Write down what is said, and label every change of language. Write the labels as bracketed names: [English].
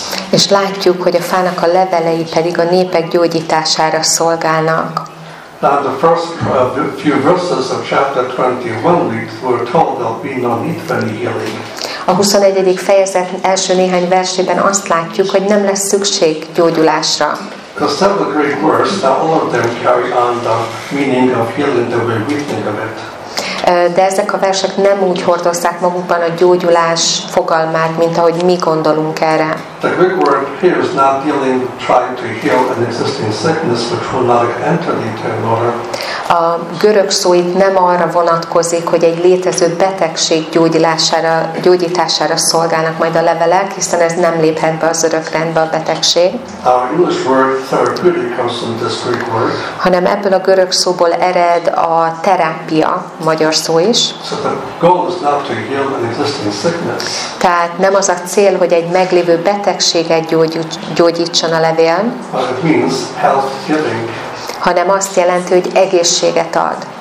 [Hungarian] És látjuk, hogy a fának a levelei pedig a népek gyógyítására szolgálnak. [English] Now the first few verses of chapter 21 we're told there'll be no need for any healing. [Hungarian] A 21. fejezet első néhány versében azt látjuk, hogy nem lesz szükség gyógyulásra. [English] Because several Greek words, now all of them carry on the meaning of healing the way we think of it. [Hungarian] De ezek a versek nem úgy hordozzák magukban a gyógyulás fogalmát, mint ahogy mi gondolunk erre. [English] The Greek word here is not dealing trying to heal an existing sickness which will not enter the eternal order. [Hungarian] A görög szó itt nem arra vonatkozik, hogy egy létező betegség gyógyítására szolgálnak majd a levelek, hiszen ez nem léphet be az örök rendbe a betegség. [English] Our English word therapeutic comes from this Greek word. [Hungarian] Hanem ebből a görög szóból ered a terápia, magyar szó is. [English] So the goal is not to heal an existing sickness. [Hungarian] Tehát nem az a cél, hogy egy meglévő betegséget gyógyítson a levél. [English] But it means health healing. [Hungarian] Hanem azt jelenti, hogy egészséget ad.